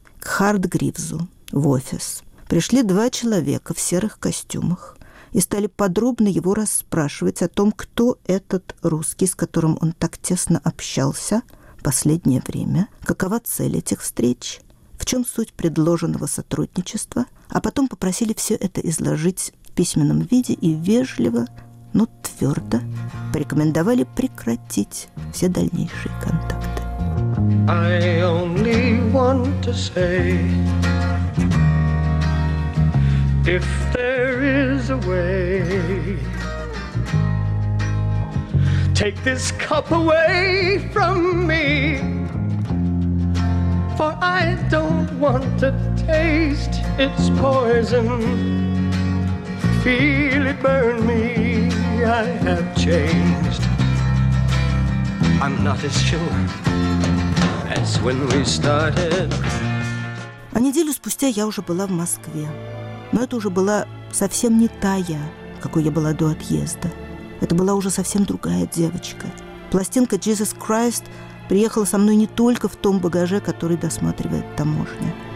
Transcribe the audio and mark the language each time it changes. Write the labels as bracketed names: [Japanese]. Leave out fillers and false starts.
[Russian] к Хартгривзу в офис пришли два человека в серых костюмах и стали подробно его расспрашивать о том, кто этот русский, с которым он так тесно общался в последнее время, какова цель этих встреч, в чем суть предложенного сотрудничества, а потом попросили все это изложить в письменном виде и вежливо, но твердо порекомендовали прекратить все дальнейшие контакты. [English] I only want to say, if there is a way, take this cup away from me. For I don't want to taste its poison, feel it burn me, I have changed. I'm not as sure as when we started. [Russian] А неделю спустя я уже была в Москве. Но это уже была совсем не та я, какой я была до отъезда. Это была уже совсем другая девочка. Пластинка «Jesus Christ» приехала со мной не только в том багаже, который досматривает таможня.